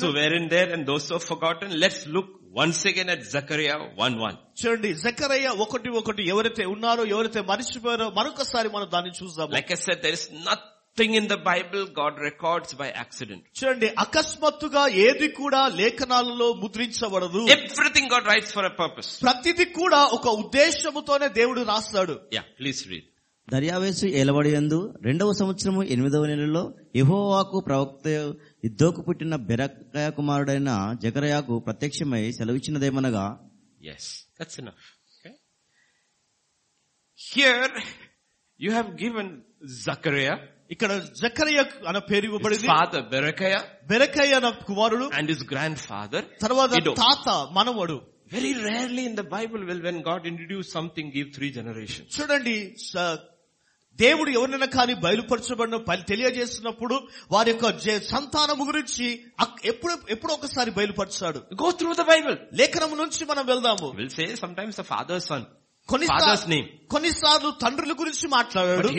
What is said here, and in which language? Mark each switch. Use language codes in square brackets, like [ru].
[en] Those who were in there and those who have forgotten, let's look once again at Zechariah 1:1. [te] చూడండి జకరయ్య ఒకటి ఒకటి ఎవరైతే ఉన్నారో ఎవరైతే మరిచిపోయారో మరొకసారి మనం దాన్ని చూద్దాం. [en] Like I said, there is nothing in the Bible God records by accident. [te] చూడండి అకస్మాత్తుగా ఏది కూడా లేఖనాలలో ముద్రించబడదు. [en] Everything God writes for a purpose. [te] ప్రతిదీ కూడా ఒక ఉద్దేశముతోనే దేవుడు రాస్తాడు. [en] Yeah, please read. [te] దర్యావేసు ఏలవడియందు రెండవ సంవత్సరము 8వ నెలలో యెహోవాకు ప్రవక్త ఇద్దోకు పుట్టిన బెరకయ కుమారుడైన జకరయాకు ప్రత్యక్షమై సెలవిచ్చినదేమనగా. [en] Yes, that's enough. Okay. Here you have given Zechariah. [te] ఇక్కడ జకరయ్య అనే పేరు ఇవ్వబడింది. [en] Father Berechiah. [te] బెరకయ అనే కుమారుడు. [en] And his grandfather. [te] తర్వాత తాత మనవడు. [en] Very rarely in the Bible will when God introduce something give three generations. [te] చూడండి దేవుడు ఎవరినైనా కానీ బయలుపరచబడిన తెలియజేసినప్పుడు వారి యొక్క సంతానము గురించి ఎప్పుడు ఒకసారి బయలుపరచాడు. [en] Go through the Bible. [te] లేఖనము నుంచి మనం వెళ్దాము. [en] We'll say sometimes the father's son. [te] కొన్నిసార్లు తండ్రుల గురించి మాట్లాడాడు.